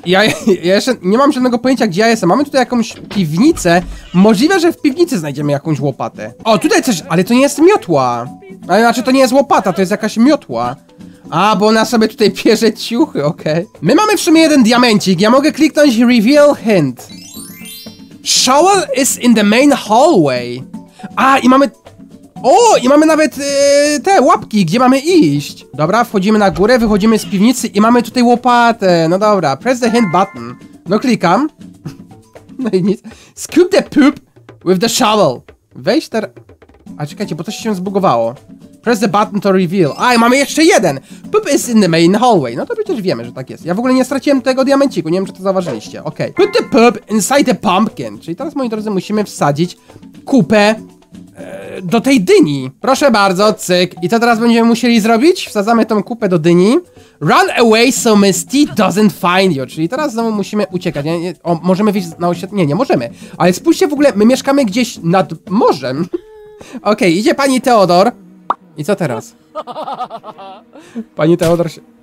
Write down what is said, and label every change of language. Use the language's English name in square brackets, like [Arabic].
[Polish] Ja jeszcze nie mam żadnego pojęcia, gdzie ja jestem. Mamy tutaj jakąś piwnicę. Możliwe, że w piwnicy znajdziemy jakąś łopatę. O, tutaj coś, ale to nie jest miotła. Ale znaczy, to nie jest łopata, to jest jakaś miotła. A, bo ona sobie tutaj pierze ciuchy, okej. Okay. My mamy w sumie jeden diamencik, ja mogę kliknąć Reveal Hint. [English] Shovel is in the main hallway. [Polish] A, i mamy... O, i mamy nawet te łapki, gdzie mamy iść. Dobra, wchodzimy na górę, wychodzimy z piwnicy i mamy tutaj łopatę. No dobra, [English] press the hint button. [Polish] No klikam. No i nic. [English] Scoop the poop with the shovel. [Polish] Wejdź teraz... A czekajcie, bo coś się zbugowało. [English] Press the button to reveal. [Polish] A, i mamy jeszcze jeden. [English] Poop is in the main hallway. [Polish] No to przecież wiemy, że tak jest. Ja w ogóle nie straciłem tego diamenciku, nie wiem, czy to zauważyliście. Okej. Okay. [English] Put the poop inside the pumpkin. [Polish] Czyli teraz, moi drodzy, musimy wsadzić kupę do tej dyni. Proszę bardzo, cyk. I co teraz będziemy musieli zrobić? Wsadzamy tą kupę do dyni. [English] Run away so Misty doesn't find you. [Polish] Czyli teraz znowu musimy uciekać. Nie, nie, o, możemy wyjść na oświetlenie? Nie, nie możemy. Ale spójrzcie w ogóle, my mieszkamy gdzieś nad morzem. Okej, okay, idzie pani Theodore. I co teraz? Pani Theodore się...